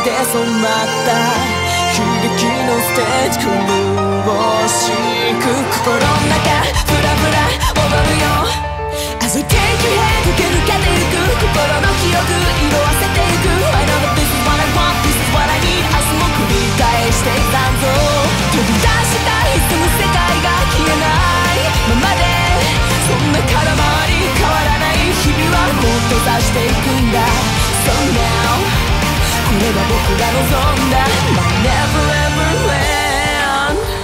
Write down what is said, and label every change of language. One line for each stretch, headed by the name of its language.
Japanese: 染まった悲劇のステージ苦しく心の中ブラブラ踊るよ。
English: As I take your head
Japanese: 駆け抜けてゆく心の記憶色あせてゆく。
English: I know that this is what I want, this is what I need.
Japanese: 明日も繰り返していたんぞ。飛び出したいその世界が消えないままで、そんな空回り変わらない日々はもっと出していくんだ。
English: So now
Japanese: これが僕が望んだ
English: My never ever land。